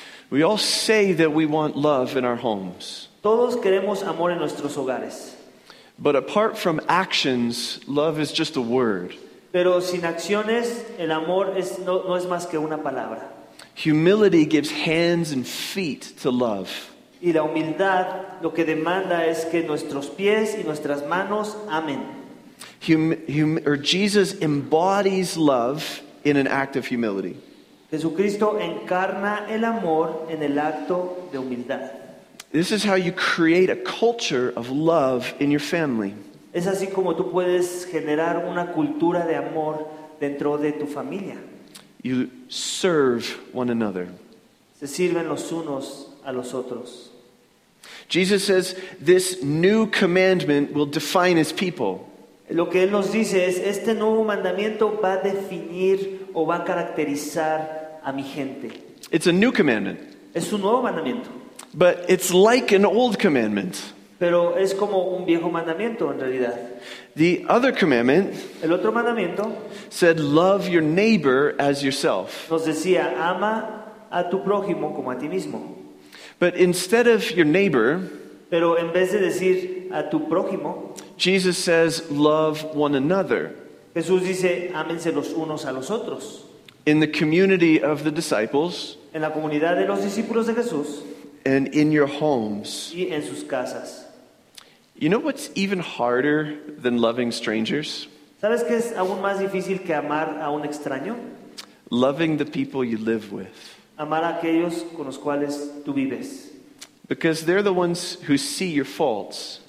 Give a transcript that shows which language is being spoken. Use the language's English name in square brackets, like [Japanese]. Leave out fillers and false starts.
[English] We all say that we want love in our homes. [Spanish] Todos queremos amor en nuestros hogares. [English] But apart from actions, love is just a word. [Spanish] Pero sin acciones, el amor es no es más que una palabra. [English] Humility gives hands and feet to love. [Spanish] Y la humildad lo que demanda es que nuestros pies y nuestras manos amen. [English] Jesus embodies love in an act of humility. [Spanish] Jesucristo encarna el amor en el acto de humildad. [English] This is how you create a culture of love in your family. [Spanish] Es así como tú puedes generar una cultura de amor dentro de tu familia. [English] You serve one another. [Spanish] Se sirven los unos a los otros. [English] Jesus says this new commandment will define his people. [Spanish] Lo que él nos dice es este nuevo mandamiento va a definir o va a caracterizar a mi gente. [English] It's a new commandment. [Spanish] Es un nuevo mandamiento. [English] But it's like an old commandment. [Spanish] Pero es como un viejo mandamiento en realidad. [English] The other commandment, [Spanish] el otro mandamiento, [English] said love your neighbor as yourself. [Spanish] Nos decía ama a tu prójimo como a ti mismo. [English] But instead of your neighbor, [Spanish] pero en vez de decir a tu prójimo, [English] Jesus says love one another. [Spanish] Jesús dice ámense los unos a los otros. [English] In the community of the disciples, [Spanish] en la comunidad de los discípulos de Jesús, [English] and in your homes, [Spanish] y en sus casas. [English] You know what's even harder than loving strangers? [Spanish] ¿Sabes qué es aún más difícil que amar a un extraño? [English] Loving the people you live with. [Spanish] Amar a aquellos con los cuales tú vives. [English] Because they're the ones who see your faults.